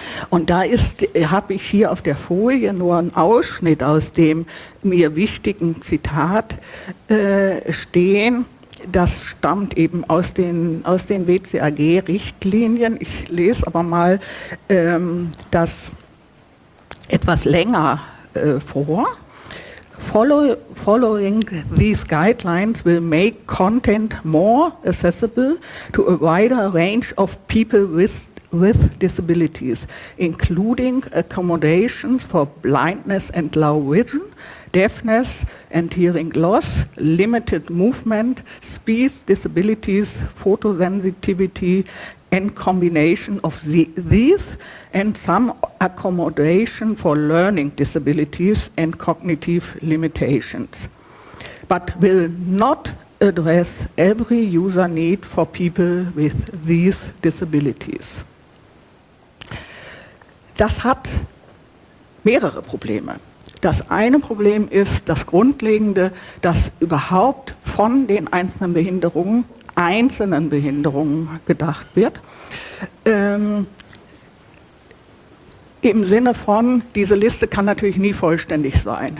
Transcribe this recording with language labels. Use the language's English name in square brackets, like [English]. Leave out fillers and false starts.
[German] Und da habe ich hier auf der Folie nur einen Ausschnitt aus dem mir wichtigen Zitat stehen. Das stammt eben aus den WCAG-Richtlinien. Ich lese aber mal das etwas länger vor. [English] Following these guidelines will make content more accessible to a wider range of people with disabilities, including accommodations for blindness and low vision, deafness and hearing loss, limited movement, speech disabilities, photosensitivity, and combination of these and some accommodation for learning disabilities and cognitive limitations, but will not address every user need for people with these disabilities. [German] Das hat mehrere Probleme. Das eine Problem ist das Grundlegende, dass überhaupt von den einzelnen Behinderungen gedacht wird, im Sinne von, diese Liste kann natürlich nie vollständig sein.